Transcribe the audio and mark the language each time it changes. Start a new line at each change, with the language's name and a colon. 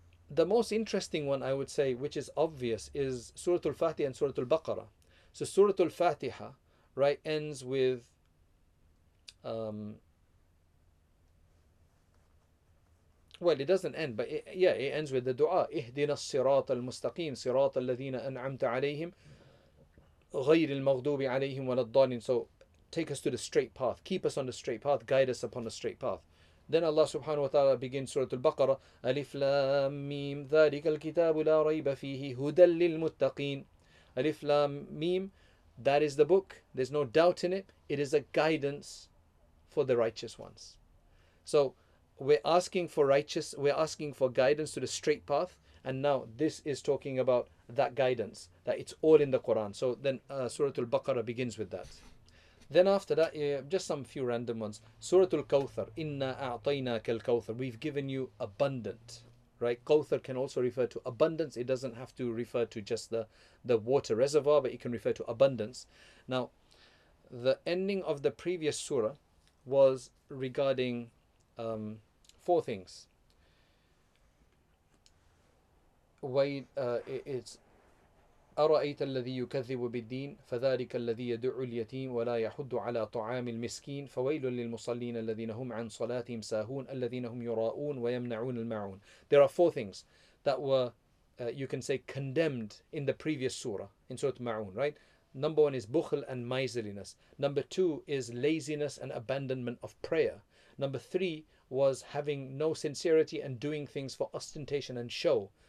English: The most interesting one, I would say, which is obvious, is Surah Al-Fatiha and Surah Al-Baqarah. So Surah Al-Fatiha, right, ends with it doesn't end, but it ends with the dua.
Arabic: اهدنا الصراط المستقيم صراط الذين أنعمت عليهم غير المغضوب عليهم ولا الضالين.
English: So take us to the straight path, keep us on the straight path, guide us upon the straight path. Then Allah subhanahu wa ta'ala begins Surah Al-Baqarah.
Arabic: Alif Lam Mim, ذلك الكتاب لا ريب فيه هدى للمتقين.
English: Alif Lam Mim, that is the book, there's no doubt in it, it is a guidance for the righteous ones. So we're asking for righteous, we're asking for guidance to the straight path, and now this is talking about that guidance, that it's all in the Quran. So then Surah Al-Baqarah begins with that. Then after that, just some few random ones. Surah Al-Kawthar,
Arabic: Inna a'tainaka al-Kawthar,
English: we've given you abundant, right? Kawthar can also refer to abundance. It doesn't have to refer to just the water reservoir, but it can refer to abundance. Now, the ending of the previous surah was regarding four things. It's
Arabic: أرأيت الذي يكذب بالدين فذلك الذي يدعو اليتيم ولا يحض على طعام المسكين فويل للمصلين الذين هم عن صلاتهم ساهون الذين هم يراءون ويمنعون المعون.
English: There are four things that were you can say condemned in the previous surah, in Surah Ma'un, right? Number one is bukhl and miserliness. Number two is laziness and abandonment of prayer. Number three was having no sincerity and doing things for ostentation and show.